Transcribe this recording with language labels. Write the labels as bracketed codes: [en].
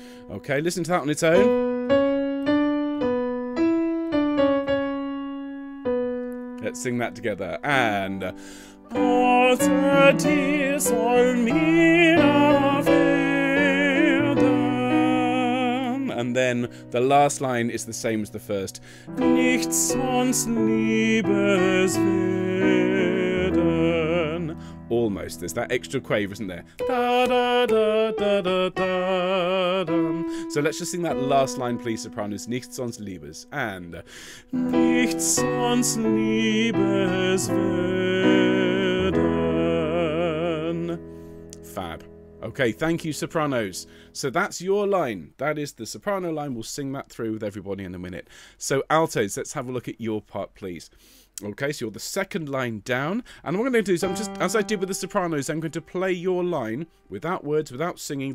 [en] Okay, listen to that on its own. Let's sing that together. And [de] Außer dir soll mir werden. [en] And then the last line is the same as the first. [de] Nichts sonst liebes werden. [en] Almost. There's that extra quaver, isn't there? Da, da, da, da, da, da, da. So let's just sing that last line, please, sopranos. [de] Nichts sonst liebes. [en] And [de] nichts sonst liebes werden. [en] Fab. Okay, thank you, sopranos. So that's your line. That is the soprano line. We'll sing that through with everybody in a minute. So altos, let's have a look at your part, please. Okay, so you're the second line down. And what I'm going to do is, I'm just as I did with the sopranos, I'm going to play your line without words, without singing.